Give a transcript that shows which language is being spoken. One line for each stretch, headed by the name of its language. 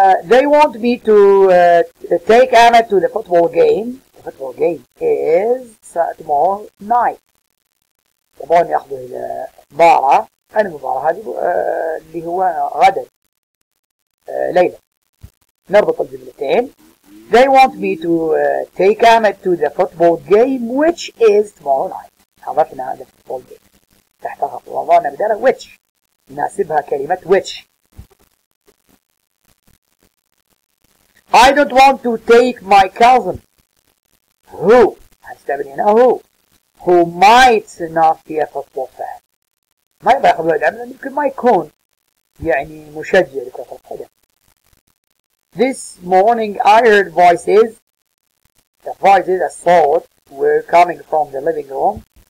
English: They want me to take Ahmed to the football game. The football game is tomorrow night.
Arabic: يبغون يأخذوا إلى مباراة. المباراة هذه اللي هو غدا ليلة. نربط الجملتين.
English: They want me to take them to the football game, which is tomorrow night.
Arabic: عرفنا على football game. تحتها وضعنا بدالة which. ناسبها كلمة which.
English: I don't want to take my cousin. Who?
Arabic: هستبني هنا
English: who. Who might not be a football fan.
Arabic: ما يبقى يأخذ ولد عمنا يمكن ما يكون يعني مشجع لكرة القدم.
English: This morning I heard voices. The voices I thought were coming from the living room.